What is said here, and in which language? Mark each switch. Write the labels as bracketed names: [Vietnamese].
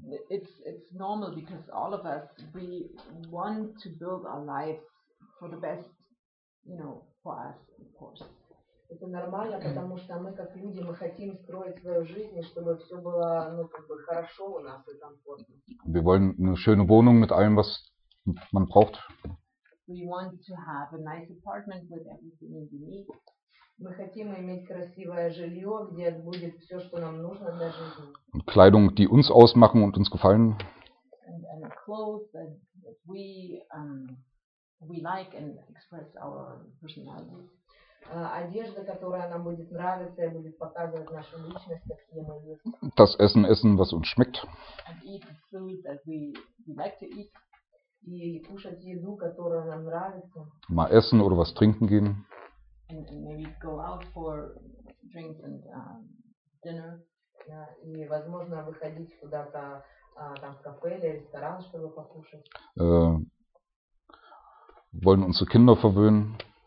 [English] It's normal because all of us we want to build our lives for the best, you know, for us, of course. [Russian] Это нормально, потому что мы как люди мы хотим строить свою жизнь, чтобы все было, ну, как бы хорошо у нас и комфортно. [German] Wir wollen eine schöne Wohnung mit allem, was man braucht. [English] We want to have a nice apartment with everything we need. [Russian] Мы хотим иметь красивое жилье, где будет все, что нам нужно для жизни. [German] Und Kleidung, die uns ausmachen und uns gefallen. [English] And clothes that we like and express our personality. [Russian] Одежда, которая нам будет нравиться и будет показывать нашу личность, какие мы есть. [German] Das Essen, Essen, was uns schmeckt. [English] And eat the food that we like to eat. [Russian] И кушать еду, которая нам нравится. [German] Mal essen oder was trinken gehen. [English] And maybe go out for drinks and dinner. [Russian] И, возможно, выходить куда-то там в кафе или ресторан, чтобы покушать. [German] Wollen unsere Kinder verwöhnen.